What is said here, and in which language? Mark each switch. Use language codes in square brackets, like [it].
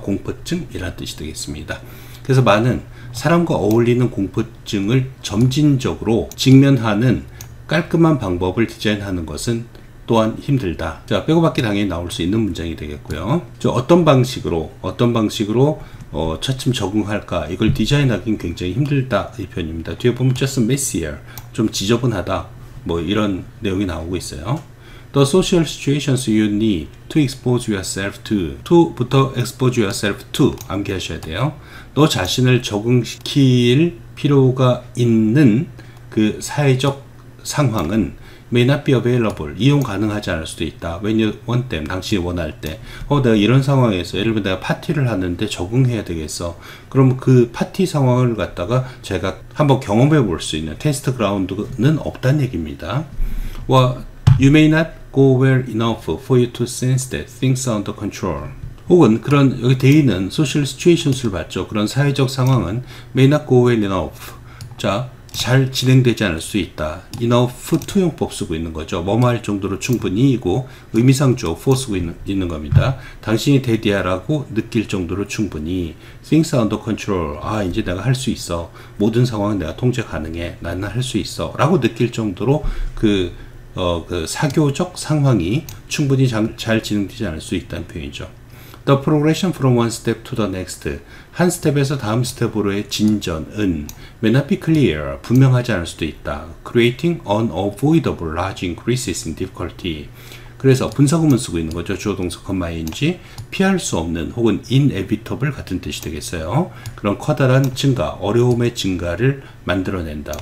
[ko] 공포증이라는 뜻이 되겠습니다. 그래서 많은 사람과 어울리는 공포증을 점진적으로 직면하는 깔끔한 방법을 디자인하는 것은 또한 힘들다. 자, 빼고받기 당연히 나올 수 있는 문장이 되겠고요. 어떤 방식으로 차츰 적응할까 이걸 디자인하기는 굉장히 힘들다 이 표현입니다. 뒤에 보면 [en] just messier, [ko] 좀 지저분하다 뭐 이런 내용이 나오고 있어요. [en] The social situations you need to expose yourself to. [ko] To부터 [en] expose yourself to [ko] 암기하셔야 돼요. 너 자신을 적응시킬 필요가 있는 그 사회적 상황은 [en] may not be available. [ko] 이용 가능하지 않을 수도 있다. [en] When you want them. [ko] 당신이 원할 때. 내가 이런 상황에서 예를 들면 내가 파티를 하는데 적응해야 되겠어. 그럼 그 파티 상황을 갖다가 제가 한번 경험해 볼 수 있는 테스트 그라운드는 없다는 얘기입니다. [en] Well, you may not go well enough for you to sense that things are under control. [ko] 혹은 그런 여기 대인은 social situations를 봤죠. 그런 사회적 상황은 [en] may not go well enough. [ko] 자, 잘 진행되지 않을 수 있다. enough 후투용법 쓰고 있는 거죠. 뭐뭐 할 정도로 충분히이고 의미상 주어 for 쓰고 있는 겁니다. 당신이 대디야라고 느낄 정도로 충분히 [en] things are under control. [ko] 아 이제 내가 할 수 있어. 모든 상황은 내가 통제 가능해. 나는 할 수 있어 라고 느낄 정도로 그 사교적 상황이 충분히 잘 진행되지 않을 수 있다는 표현이죠. [en] The progression from one step to the next. [ko] 한 스텝에서 다음 스텝으로의 진전은 [en] may not be clear. [ko] 분명하지 않을 수도 있다. [en] Creating unavoidable large increases in difficulty. [ko] 그래서 분사구문 쓰고 있는 거죠. 주어동사 comma ing. 피할 수 없는 혹은 inevitable 같은 뜻이 되겠어요. 그런 커다란 증가, 어려움의 증가를 만들어낸다.